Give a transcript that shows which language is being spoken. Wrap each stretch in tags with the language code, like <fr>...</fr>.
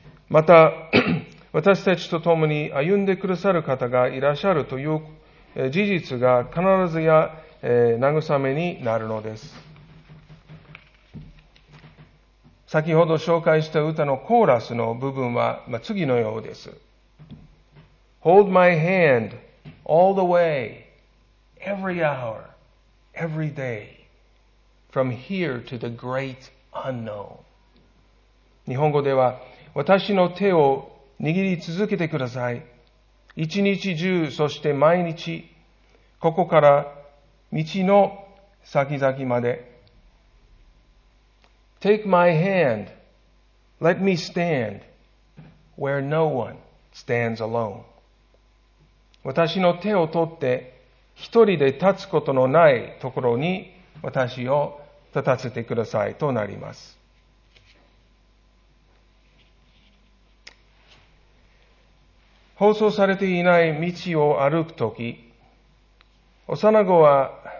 <ja>また私たちと共に歩んでくださる方がいらっしゃるという事実が必ずや慰めになるのです。先ほど紹介した歌のコーラスの部分は次のようです。</ja> <en>Hold my hand all the way, every hour, every dayFrom here to the great unknown.</en> <ja>日本語では、私の手を握り続けてください。一日中、そして毎日、ここから道の先々まで。</ja> <en>Take my hand, let me stand where no one stands alone.</en> <ja>私の手を取って、一人で立つことのないところに私を立たせてくださいとなります。放送されていない道を歩くとき、幼子は</ja>